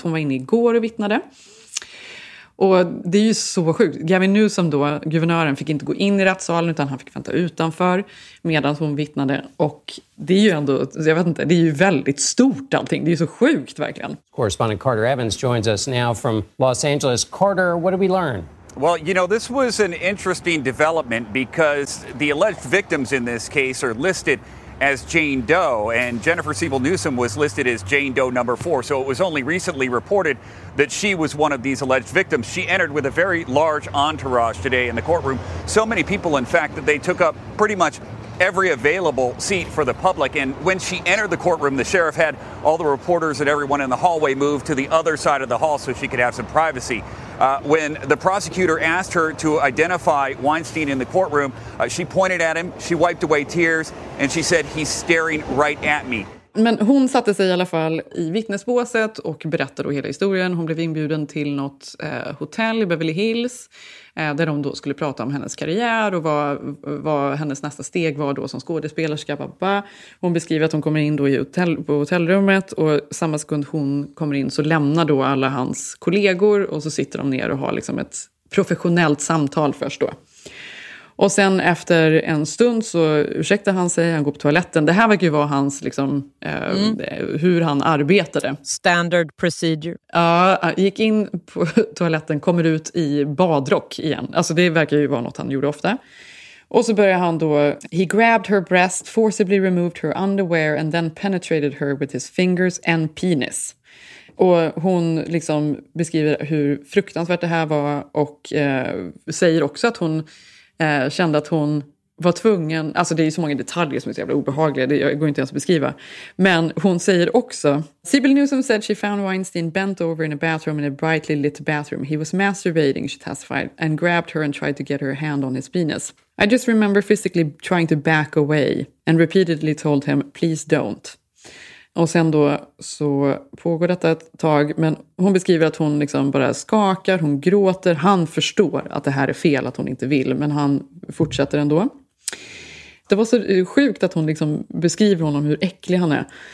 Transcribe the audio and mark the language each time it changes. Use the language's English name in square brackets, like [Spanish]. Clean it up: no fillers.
[Swedish] Hon var inne igår och vittnade. Och det är ju så sjukt. Gavin Newsom då, guvernören, fick inte gå in i rättssalen utan han fick vänta utanför medan hon vittnade. Och det är ju ändå, jag vet inte, det är ju väldigt stort allting. Det är ju så sjukt verkligen. [English] Correspondent Carter Evans joins us now from Los Angeles. Carter, what did we learn? Well, you know, this was an interesting development because the alleged victims in this case are listed as Jane Doe, and Jennifer Siebel Newsom was listed as Jane Doe number 4. So it was only recently reported that she was one of these alleged victims. She entered with a very large entourage today in the courtroom. So many people, in fact, that they took up pretty much every available seat for the public. And when she entered the courtroom, the sheriff had all the reporters and everyone in the hallway move to the other side of the hall so she could have some privacy. When the prosecutor asked her to identify Weinstein in the courtroom, she pointed at him, she wiped away tears, and she said, "He's staring right at me." [Swedish] Men hon satte sig i alla fall i vittnesbåset och berättade hela historien. Hon blev inbjuden till något hotell i Beverly Hills där de då skulle prata om hennes karriär och vad hennes nästa steg var då som skådespelerska. Hon beskriver att hon kommer in då i på hotellrummet och samma sekund hon kommer in så lämnar då alla hans kollegor och så sitter de ner och har liksom ett professionellt samtal först då. Och sen efter en stund så ursäktar han sig, han går på toaletten. Det här verkar ju vara hans, liksom, hur han arbetade. [English] Standard procedure. [Swedish] Ja, gick in på toaletten, kommer ut i badrock igen. Alltså det verkar ju vara något han gjorde ofta. Och så börjar han då, [English] he grabbed her breast, forcibly removed her underwear and then penetrated her with his fingers and penis. [Swedish] Och hon liksom beskriver hur fruktansvärt det här var och säger också att hon kände att hon var tvungen, alltså det är ju så många detaljer som är så jävla obehagliga, det går inte ens att beskriva. Men hon säger också, [English] Siebel Newsom said she found Weinstein bent over in a bathroom, in a brightly lit bathroom. He was masturbating, she testified, and grabbed her and tried to get her hand on his penis. I just remember physically trying to back away and repeatedly told him, please don't. [Swedish] Och sen då så pågår detta ett tag, men hon beskriver att hon liksom bara skakar, hon gråter. Han förstår att det här är fel, att hon inte vill, men han fortsätter ändå. Det var så sjukt att hon liksom beskriver honom hur äcklig han är.